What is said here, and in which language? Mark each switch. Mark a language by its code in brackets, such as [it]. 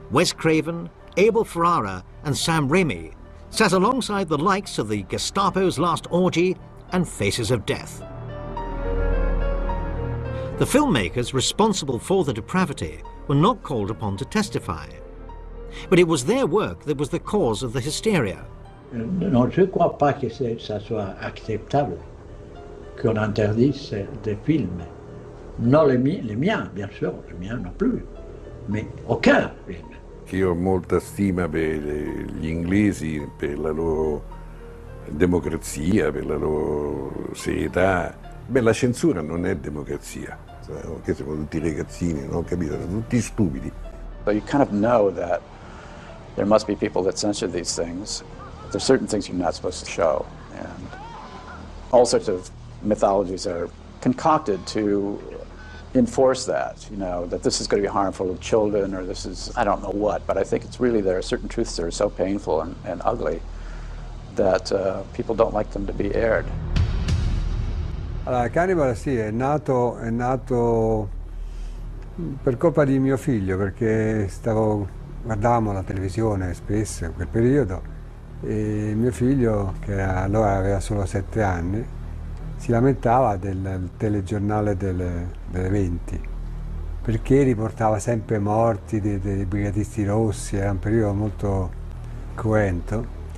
[en] Wes Craven, Abel Ferrara and Sam Raimi sat alongside the likes of the Gestapo's Last Orgy and Faces of Death. The filmmakers responsible for the depravity were not called upon to testify. But it was their work that was the cause of the hysteria. [fr] Non je crois pas que ça soit acceptable qu'on interdise des films. Non les miens, bien sûr, les miens non plus, mais aucun film. [it] Io ho molta stima per gli inglesi, per la loro democrazia, per la loro serietà. Beh, la censura non è democrazia. [en] So you kind of know that there must be people that censor these things. There's certain things you're not supposed to show, and all sorts of mythologies are concocted to enforce that, you know, that this is going to be harmful to children, or this is, I don't know what, but I think it's really there are certain truths that are so painful and ugly that people don't like them to be aired. [it] Allora, Cannibal sì, è nato per colpa di mio figlio, perché guardavamo la televisione spesso in quel periodo e mio figlio, che allora aveva solo 7 anni, si lamentava del telegiornale delle 20, perché riportava sempre morti dei brigatisti rossi, era un periodo molto cruento.